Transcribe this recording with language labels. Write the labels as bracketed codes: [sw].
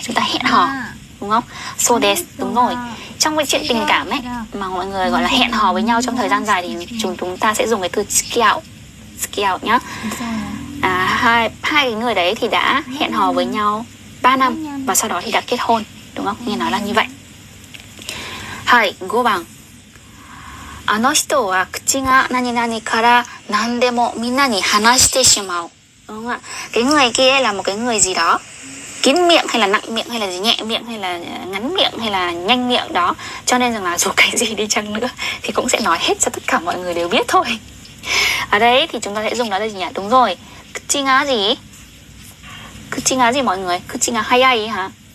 [vi] Chúng ta hẹn hò, đúng không? [ja] So des, [vi] đúng rồi. Trong cái chuyện tình cảm ấy, mà mọi người gọi là hẹn hò với nhau trong thời gian dài thì chúng ta sẽ dùng cái từ tsukiau. Tsukiau nhá. À, hai cái người đấy thì đã hẹn hò với nhau 3 năm và sau đó thì đã kết hôn, đúng không? Nghe nói là như vậy. Hai, 5 番. [ja] あの人は口が何々から何でもみんなに話してしまう。 [vi] Đúng không ạ? Cái người kia là một cái người gì đó kín miệng hay là nặng miệng hay là gì, nhẹ miệng hay là ngắn miệng hay là nhanh miệng đó, cho nên rằng là dù cái gì đi chăng nữa thì cũng sẽ nói hết cho tất cả mọi người đều biết thôi. Ở đây thì chúng ta sẽ dùng đó là gì nhỉ? Đúng rồi, kuchi ga gì? Kuchi ga gì mọi người? Kuchi ga hayai hả?